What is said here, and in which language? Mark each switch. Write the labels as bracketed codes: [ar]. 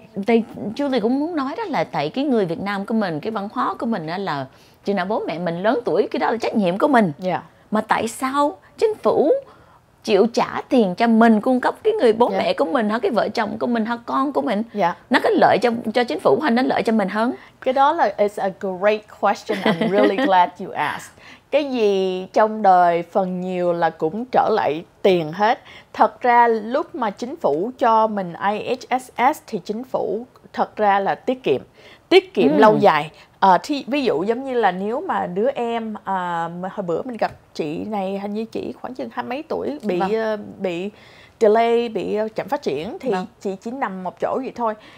[vi] tại Julie cũng muốn nói đó là tại cái người Việt Nam của mình, cái văn hóa của mình đó là chứ nào bố mẹ mình lớn tuổi, cái đó là trách nhiệm của mình. [en] Yeah. [vi] Mà tại sao chính phủ chịu trả tiền cho mình cung cấp cái người bố mẹ của mình, hoặc cái vợ chồng của mình, hoặc con của mình? Nó có lợi cho chính phủ hay nó lợi cho mình hơn? Cái đó là [en] it's a great question, I'm really glad you asked. [vi] Cái gì trong đời phần nhiều là cũng trở lại tiền hết. Thật ra lúc mà chính phủ cho mình IHSS thì chính phủ thật ra là tiết kiệm lâu dài. Ví dụ giống như là nếu mà đứa em, hồi bữa mình gặp chị này, hình như chị khoảng chừng 20 mấy tuổi bị delay, bị chậm phát triển, thì chị chỉ nằm một chỗ vậy thôi.